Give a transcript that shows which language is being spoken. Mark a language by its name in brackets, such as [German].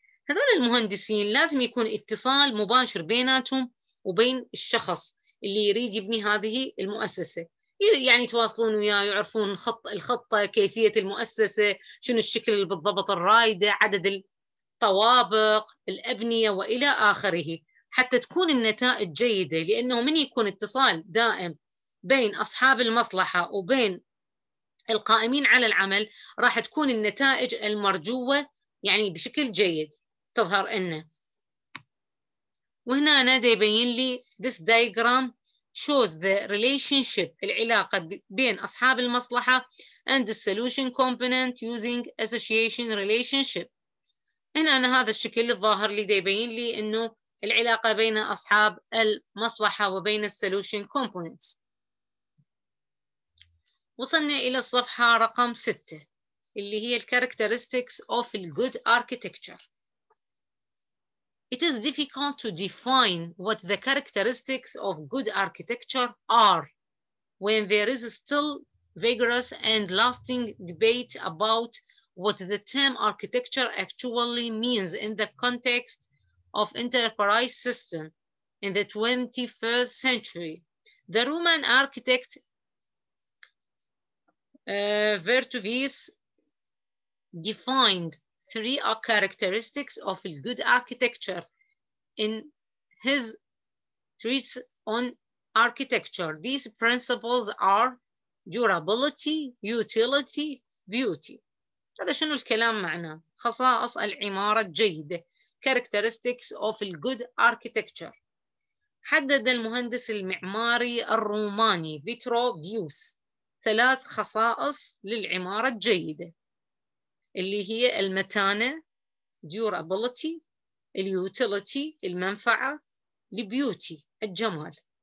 [Arabic] هذول المهندسين لازم يكون اتصال مباشر بيناتهم وبين الشخص اللي يريد يبني هذه المؤسسة، يعني يتواصلون وياه، يعرفون الخطة، كيفية المؤسسة، شنو الشكل بالضبط الرايدة، عدد الطوابق، الأبنية وإلى آخره، حتى تكون النتائج جيدة. لأنه من يكون اتصال دائم بين أصحاب المصلحة وبين القائمين على العمل راح تكون النتائج المرجوة يعني بشكل جيد تظهر لنا. وهنا أنا دي يبين لي [English] this diagram shows the relationship [Arabic] العلاقة بين أصحاب المصلحة [English] and the solution component using association relationship. [Arabic] هنا أنا هذا الشكل الظاهر اللي دي يبين لي إنه العلاقة بين أصحاب المصلحة وبين solution components. وصلنا إلى الصفحة رقم 6 اللي هي [English] characteristics of a good architecture. It is difficult to define what the characteristics of good architecture are when there is still vigorous and lasting debate about what the term architecture actually means in the context of enterprise system in the 21st century. The Roman architect Vertuvius defined three characteristics of good architecture in his treatise on architecture. These principles are durability, utility, beauty. [Arabic] هذا شنو الكلام معنا؟ خصائص العمارة الجيدة. [English] Characteristics of good architecture. [Arabic] حدد المهندس المعماري الروماني فيتروفيوس ثلاث خصائص للعمارة الجيدة اللي هي المتانة durability, utility المنفعة, beauty الجمال.